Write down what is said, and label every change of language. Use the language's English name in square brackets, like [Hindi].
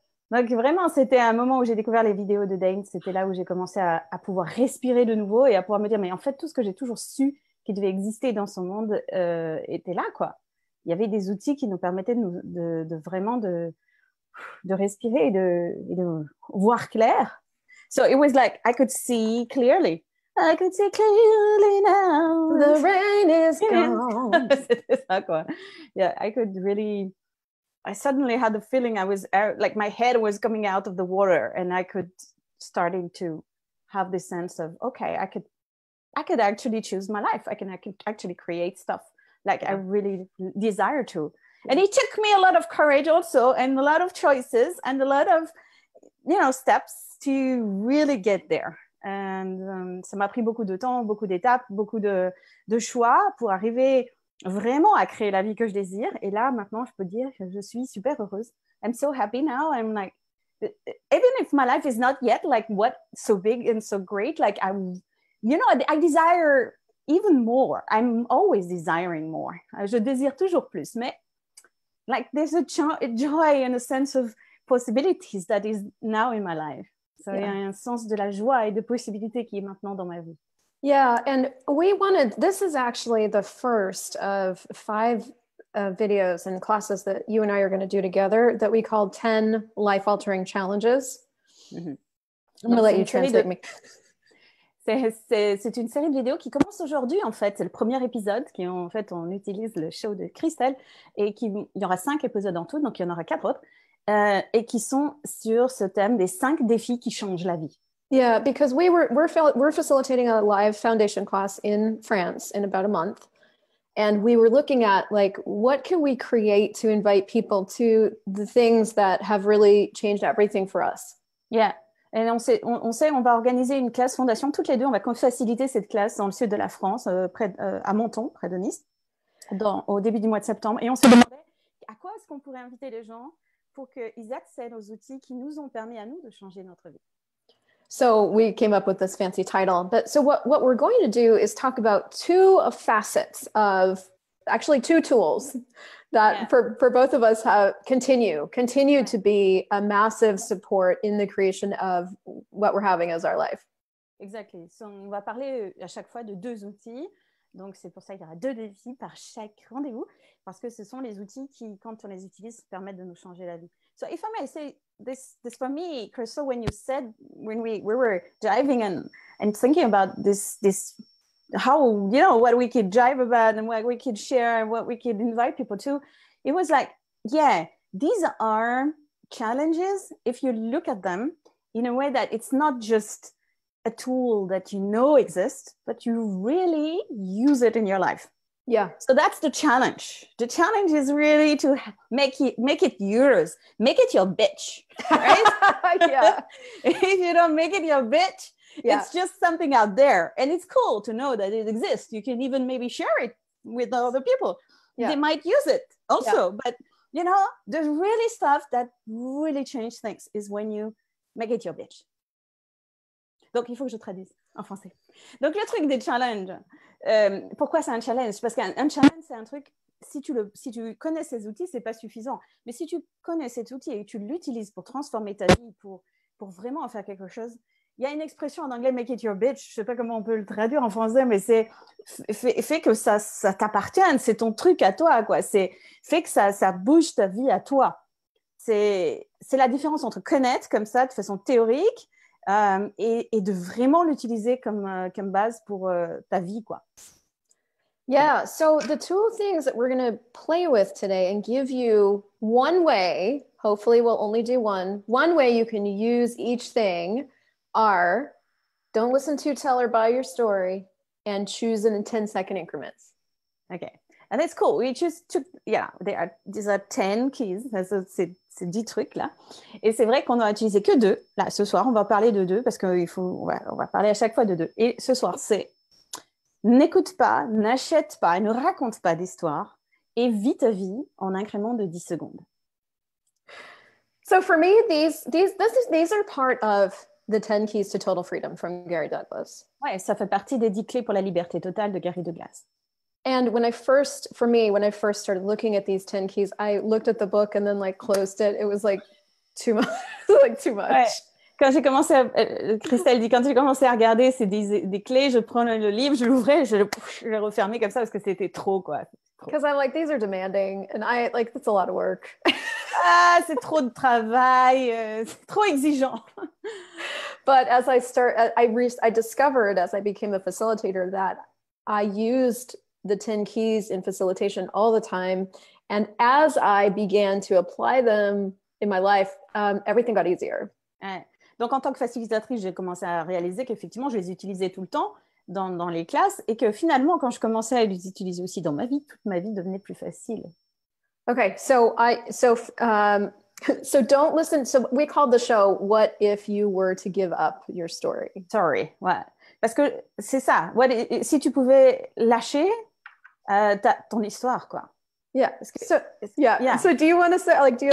[French] Donc vraiment, c'était un moment où j'ai découvert les vidéos de Dane. C'était là où j'ai commencé à pouvoir respirer de nouveau et à pouvoir me dire, mais en fait, tout ce que j'ai toujours su qui devait exister dans son monde était là, quoi. Il y avait des outils qui nous permettaient de respirer et de voir clair. [English] So it was like I could see clearly. I could see clearly now. The rain is gone. [French] C'était ça, quoi. [English] Yeah, I could really. I suddenly had the feeling I was like my head was coming out of the water, and I could starting to have this sense of okay, I could actually choose my life. I can actually create stuff like I really desire to. And it took me a lot of courage also and a lot of choices and a lot of, you know, steps to really get there. And [French] ça m'a pris beaucoup de temps, beaucoup d'étapes, beaucoup de choix pour arriver vraiment à créer la vie que je désire. Et là, maintenant, je peux dire que je suis super heureuse. [English] I'm so happy now. I'm like, even if my life is not yet like what so big and so great, like I desire even more. I'm always desiring more. [French] Je désire toujours plus, [English] mais like there's a joy and a sense of possibilities that is now in my life. So yeah. [French] Il y a un sens de la joie et de possibilités qui est maintenant dans ma vie. [English] Yeah, and this is actually the first of five videos and classes that you and I are going to do together that we called 10 Life-Altering Challenges. Mm-hmm. I'm going to let you translate me. [French] C'est une série de vidéos qui commence aujourd'hui, en fait. C'est le premier épisode qui, en fait, on utilise le show de Christel. Et il y aura 5 épisodes en tout, donc il y en aura 4 autres. Et qui sont sur ce thème des 5 défis qui changent la vie. [English] Yeah, because we're facilitating a live foundation class in France in about a month. And we were looking at, like, what can we create to invite people to the things that have really changed everything for us? Yeah. [French] Et on va organiser une classe fondation toutes les deux. On va faciliter cette classe dans le sud de la France, à Menton, près de Nice, au début du mois de septembre. Et on se demandait à quoi est-ce qu'on pourrait inviter les gens pour qu'ils accèdent aux outils qui nous ont permis à nous de changer notre vie. [English] So we came up with this fancy title. But so what we're going to do is talk about two facets of, actually two tools that yeah. for both of us have continue to be a massive support in the creation of what we're having as our life. Exactly. [French] So on va parler à chaque fois de deux outils. Donc c'est pour ça qu'il y aura deux défis par chaque rendez-vous, parce que ce sont les outils qui, quand on les utilise, permettent de nous changer la vie. [English] So if I may say this for me, Crystal, when you said when we were driving and thinking about this how, you know, what we could drive about and what we could share and what we could invite people to, it was like, yeah, these are challenges if you look at them in a way that it's not just a tool that you know exists, but you really use it in your life. Yeah. So that's the challenge. The challenge is really to make it yours. Make it your bitch. Right? Yeah. If you don't make it your bitch, yeah. It's just something out there. And it's cool to know that it exists. You can even maybe share it with other people. Yeah. They might use it also. Yeah. But, you know, the really stuff that really changes things is when you make it your bitch. [French] Donc, il faut que je traduise en français. Donc, le truc des challenges, pourquoi c'est un challenge? Parce qu'un challenge, c'est un truc, si tu connais ces outils, ce n'est pas suffisant. Mais si tu connais cet outil et que tu l'utilises pour transformer ta vie, pour vraiment en faire quelque chose, il y a une expression en anglais, [English] make it your bitch, [French] je ne sais pas comment on peut le traduire en français, mais c'est fait que ça t'appartienne, c'est ton truc à toi, quoi. C'est fait que ça bouge ta vie à toi. C'est la différence entre connaître comme ça, de façon théorique, et de vraiment l'utiliser comme base pour ta vie, quoi. [English] Yeah, so the two things that we're going to play with today and give you one way, hopefully we'll only do one way you can use each thing are don't listen to tell or buy your story and choose in 10-second increments. Okay, and that's cool. We choose to, yeah, these are 10 keys. [French] C'est 10 trucs là. Et c'est vrai qu'on n'a utilisé que deux. Là, ce soir, on va parler de deux parce qu'on va parler à chaque fois de deux. Et ce soir, c'est n'écoute pas, n'achète pas, ne raconte pas d'histoire et vis ta vie en incrément de 10 secondes. [English] So for me, these are part of the 10 keys to total freedom from Gary Douglas. [French] Ouais, ça fait partie des 10 clés pour la liberté totale de Gary Douglas. [English] And when I first started looking at these 10 keys, I looked at the book and then like closed it. It was like too much. Ouais. [French] Quand j'ai commencé à, Christelle dit, quand j'ai commencé à regarder ces 10 clés, je prenais le livre, je l'ouvrais, je le refermais comme ça parce que c'était trop, quoi. [English] Because I'm like, these are demanding. And I like, that's a lot of work. [French] Ah, c'est trop de travail. C'est trop exigeant. [English] But as I start, I discovered as I became a facilitator that I used the 10 keys in facilitation all the time. And as I began to apply them in my life, everything got easier. [French] Ouais. Donc en tant que facilitatrice, j'ai commencé à réaliser qu'effectivement, je les utilisais tout le temps dans les classes et que finalement, quand je commençais à les utiliser aussi dans ma vie, toute ma vie devenait plus facile. [English] Okay, so don't listen. So we called the show, What If You Were to Give Up Your Story? Sorry, what? [French] Parce que c'est ça. What, si tu pouvais lâcher ton histoire, quoi. [English] Yeah. [French] Parce que, [English] so, yeah. Yeah. So do you want to say, like, do you